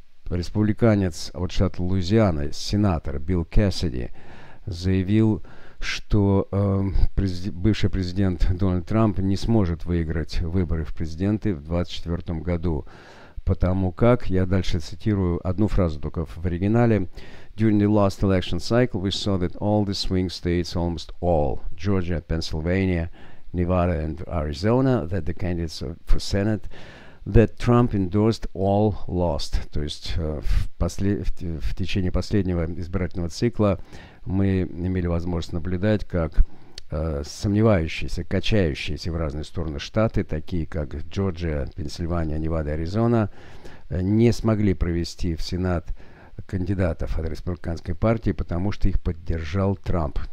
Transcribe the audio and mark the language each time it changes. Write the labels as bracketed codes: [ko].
[ru] Республиканец от штата Луизиана, сенатор Билл Кассиди, заявил, что бывший президент Дональд Трамп не сможет выиграть выборы в президенты в 2024 году. Потому как, я дальше цитирую одну фразу только в оригинале. [en] During the last election cycle, we saw that all the swing states, almost all, Georgia, Pennsylvania, Nevada and Arizona, that the candidates for Senate, that Trump endorsed, all lost. [ru] То есть в течение последнего избирательного цикла мы имели возможность наблюдать, как сомневающиеся, качающиеся в разные стороны штаты, такие как Джорджия, Пенсильвания, Невада, Аризона, не смогли провести в Сенат кандидатов от республиканской партии, потому что их поддержал Трамп.